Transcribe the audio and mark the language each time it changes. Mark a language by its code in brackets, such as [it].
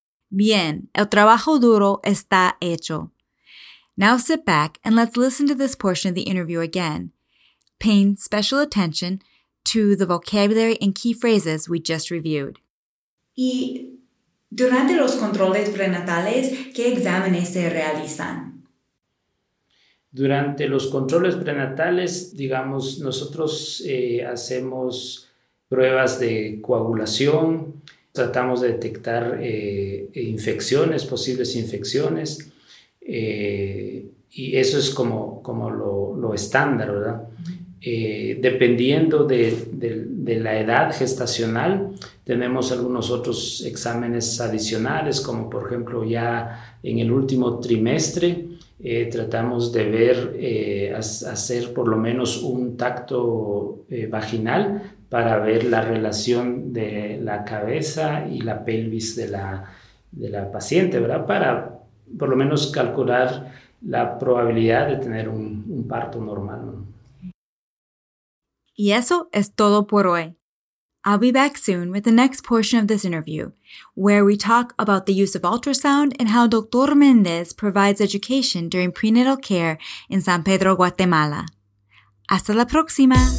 [es] Bien, el trabajo duro está hecho. [en] Now sit back and let's listen to this portion of the interview again, paying special attention to the vocabulary and key phrases we just reviewed. [es] Y durante los controles prenatales, ¿qué exámenes se realizan? Durante los controles prenatales, digamos, nosotros hacemos pruebas de coagulación, tratamos de detectar infecciones, posibles infecciones, y eso es como lo estándar, ¿verdad? Dependiendo de la edad gestacional, tenemos algunos otros exámenes adicionales, como por ejemplo ya en el último trimestre, tratamos de ver, hacer por lo menos un tacto vaginal para ver la relación de la cabeza y la pelvis de la paciente, ¿verdad? Para por lo menos calcular la probabilidad de tener un parto normal, ¿no? Y eso es todo por hoy. [en] I'll be back soon with the next portion of this interview, where we talk about the use of ultrasound and how Dr. Mendez provides education during prenatal care in San Pedro, Guatemala. [es] Hasta la próxima!